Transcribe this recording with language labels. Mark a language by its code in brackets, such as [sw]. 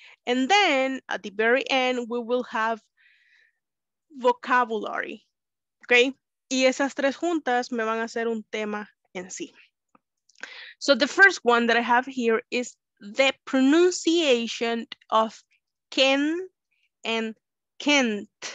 [en] And then at the very end, we will have vocabulary. Okay? [es] Y esas tres juntas me van a hacer un tema en sí. [en] So the first one that I have here is the pronunciation of Ken and Kent.